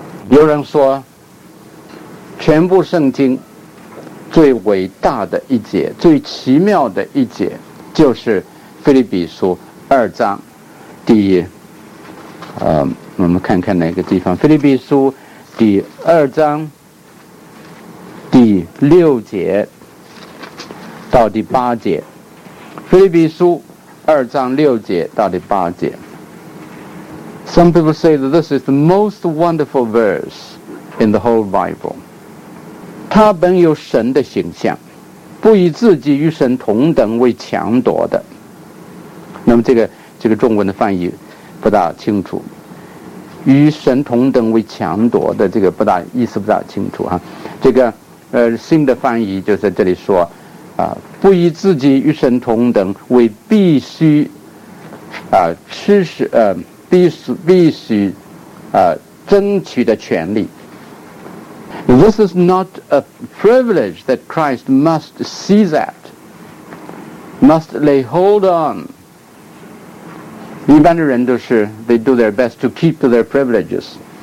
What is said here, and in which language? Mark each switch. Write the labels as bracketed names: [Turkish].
[Chinese] 有人说，全部圣经最伟大的一节、最奇妙的一节，就是腓立比书二章第我们看看哪个地方，腓立比书第二章第六节到第八节，腓立比书二章六节到第八节。 [English] Some people say that this is the most wonderful verse in the whole Bible. [Chinese] 他本有神的形象，不以自己与神同等为强夺的。那么这个中文的翻译不大清楚，与神同等为强夺的，这个不大意思不大清楚啊。这个新的翻译就在这里说啊，不以自己与神同等为必须啊，吃食必须啊争取的权利。 [English] This is not a privilege that Christ must seize at, must lay hold on. [Chinese] 一般的人都是 [English] they do their best to keep their privileges.